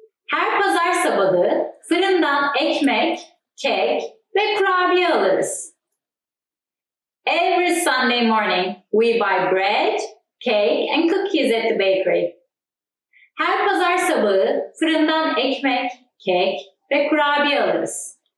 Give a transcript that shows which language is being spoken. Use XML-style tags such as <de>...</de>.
<tr>Her pazar sabahı fırından ekmek, kek ve kurabiye alırız.</tr> <en>Every Sunday morning we buy bread, cake and cookies at the bakery.</en> <tr>Her pazar sabahı fırından ekmek, kek ve kurabiye alırız.</tr>